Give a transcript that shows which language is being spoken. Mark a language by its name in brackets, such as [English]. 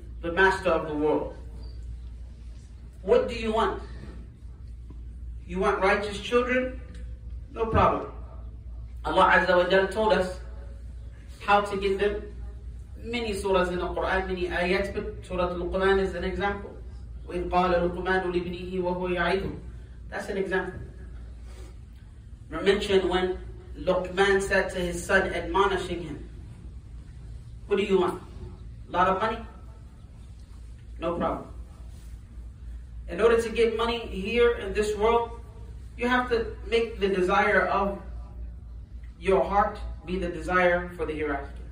[English] The master of the world. What do you want? You want righteous children? No problem. Allah Azza wa Jalla told us how to get them. Many surahs in the Quran, many ayats, but Surah Al-Quran is an example. [Arabic] وَإِذْ قَالَ لُقْمَانُ لِبْنِهِ وَهُوَ يَعِدُهُ [English] That's an example. We mentioned when Luqman said to his son, admonishing him, what do you want? A lot of money? No problem. In order to get money here in this world, you have to make the desire of your heart be the desire for the hereafter.